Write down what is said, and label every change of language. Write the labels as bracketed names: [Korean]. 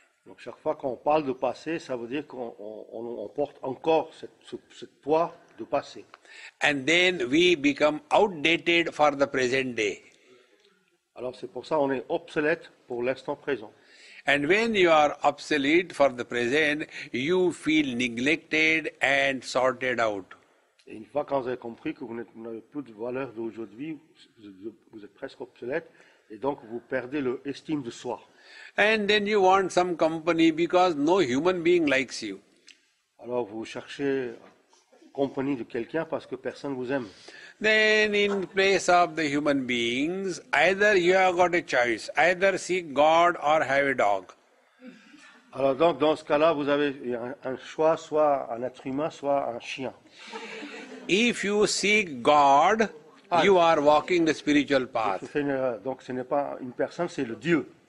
[French] Donc chaque fois qu'on parle de passé, ça veut dire qu'on porte encore ce poids de passé. [English] And then we become outdated for the present day. [French] Alors c'est pour ça qu'on est obsolète pour l'instant présent. [English] And when you are obsolete for the present, you feel neglected and sorted out. [French] Et une fois que vous avez compris que vous n'avez plus de valeur d'aujourd'hui, vous êtes presque obsolète et donc vous perdez l'estime de soi. [English] And then you want some company because no human being likes you. [French] Alors vous cherchez compagnie de quelqu'un parce que personne vous aime. [English] Then in place of the human beings, either you have got a choice, either seek God or have a dog. [French] Alors donc dans ce cas-là, vous avez un choix, soit un être humain, soit un chien. [English] If you seek God, you are walking the spiritual path. [French] Donc ce n'est pas une personne, c'est le Dieu.